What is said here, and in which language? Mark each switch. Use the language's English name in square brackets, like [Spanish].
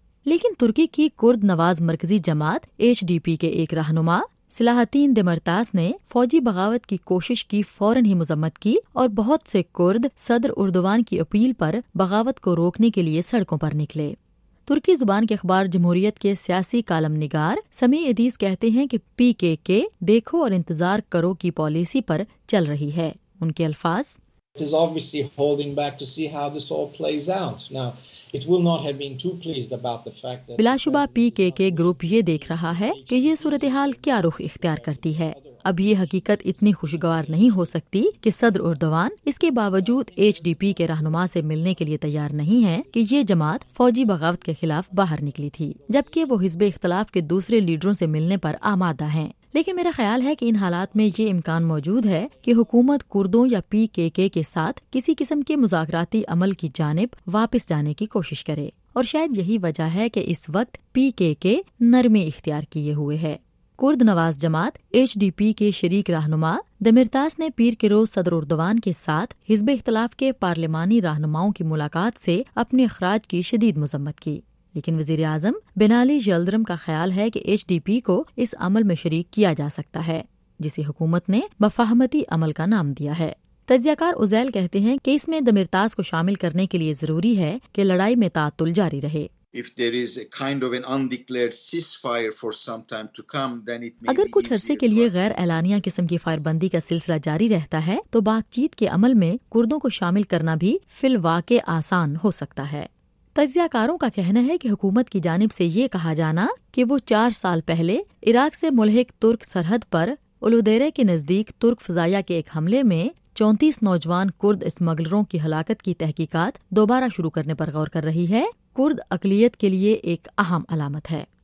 [Urdu] لیکن ترکی کی کرد نواز مرکزی جماعت ایچ ڈی پی کے ایک رہنما صلاح الدین دمرتاس نے فوجی بغاوت کی کوشش کی فوراً ہی مذمت کی، اور بہت سے کرد صدر اردوان کی اپیل پر بغاوت کو روکنے کے لیے سڑکوں پر نکلے۔ ترکی زبان کے اخبار جمہوریت کے سیاسی کالم نگار سمیع ادیس کہتے ہیں کہ پی کے کے دیکھو اور انتظار کرو کی پالیسی پر چل رہی ہے. ان کے الفاظ, [English] It is obviously holding back to see how this all plays out. Now, it will not have been too pleased about the fact that [Urdu] بلا شبہ پی کے کے گروپ یہ دیکھ رہا ہے کہ یہ صورتحال کیا رخ اختیار کرتی ہے. اب یہ حقیقت اتنی خوشگوار نہیں ہو سکتی کہ صدر اردوان اس کے باوجود ایچ ڈی پی کے رہنما سے ملنے کے لیے تیار نہیں ہے کہ یہ جماعت فوجی بغاوت کے خلاف باہر نکلی تھی, جبکہ وہ حزب اختلاف کے دوسرے لیڈروں سے ملنے پر آمادہ ہیں. لیکن میرا خیال ہے کہ ان حالات میں یہ امکان موجود ہے کہ حکومت کردوں یا پی کے کے کے ساتھ کسی قسم کے مذاکراتی عمل کی جانب واپس جانے کی کوشش کرے, اور شاید یہی وجہ ہے کہ اس وقت پی کے کے نرمی اختیار کیے ہوئے ہے. کرد نواز جماعت ایچ ڈی پی کے شریک رہنما دمیرتاس نے پیر کے روز صدر اردوان کے ساتھ حزب اختلاف کے پارلیمانی رہنماؤں کی ملاقات سے اپنے اخراج کی شدید مذمت کی, لیکن وزیر اعظم بنالی جلدرم کا خیال ہے کہ ایچ ڈی پی کو اس عمل میں شریک کیا جا سکتا ہے جسے حکومت نے مفاہمتی عمل کا نام دیا ہے. تجزیہ کار ازیل کہتے ہیں کہ اس میں دمیرتاس کو شامل کرنے کے لیے ضروری ہے کہ لڑائی میں تعطل جاری رہے. [English] If there is a kind of an undeclared ceasefire for some time to come, then it may [Urdu] اگر کچھ عرصے کے لیے غیر اعلانیہ قسم کی فائر بندی کا سلسلہ جاری رہتا ہے تو بات چیت کے عمل میں کردوں کو شامل کرنا بھی فی الواقع آسان ہو سکتا ہے. تجزیہ کاروں کا کہنا ہے کہ حکومت کی جانب سے یہ کہا جانا کہ وہ 4 سال پہلے عراق سے ملحق ترک سرحد پر الودیرے کے نزدیک ترک فضائیہ کے ایک حملے میں 34 نوجوان کرد اسمگلروں کی ہلاکت کی تحقیقات دوبارہ شروع کرنے پر غور کر رہی ہے کرد اقلیت کے لیے ایک اہم علامت ہے.